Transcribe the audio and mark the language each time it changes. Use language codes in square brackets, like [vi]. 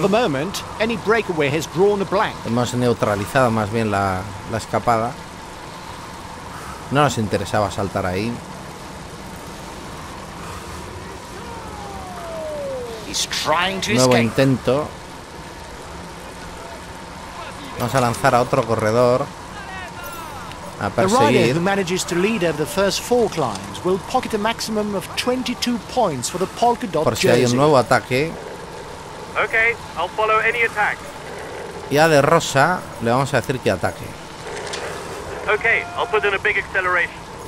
[en] For the moment, any breakaway has drawn a blank. [es] Hemos neutralizado más bien la escapada. No nos interesaba saltar ahí. Nuevo intento. Vamos a lanzar a otro corredor. A perseguir. [en] The rider who manages to lead over the first four climbs will pocket a maximum of 22 points for the polka dot [es] jersey. Por si hay un nuevo ataque. [en] Okay, I'll follow any attack. [es] Y a De Rosa le vamos a decir que ataque. [en] Okay, I'll put in a big acceleration.